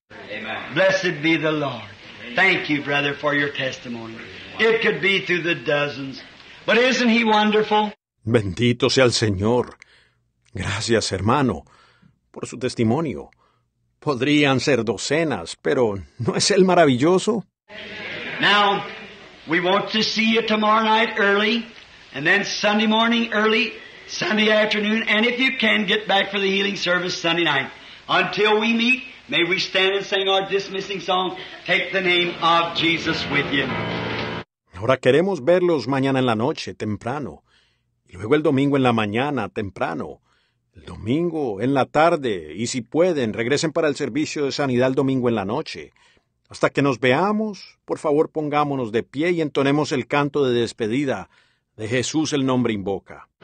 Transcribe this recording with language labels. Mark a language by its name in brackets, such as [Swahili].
[English] Amen. Blessed be the Lord. Thank you, brother, for your testimony. It could be through the dozens. But isn't he wonderful? [Spanish] Bendito sea el Señor. Gracias, hermano, por su testimonio. Podrían ser docenas, pero ¿no es él maravilloso? [English] Now, we want to see you tomorrow night early, and then Sunday morning early, Sunday afternoon, and if you can, get back for the healing service Sunday night. Until we meet, may we stand and sing our dismissing song, Take the Name of Jesus with you. [Spanish] Ahora queremos verlos mañana en la noche, temprano. Y luego el domingo en la mañana, temprano. El domingo en la tarde. Y si pueden, regresen para el servicio de sanidad el domingo en la noche. Hasta que nos veamos, por favor pongámonos de pie y entonemos el canto de despedida de Jesús el nombre invoca.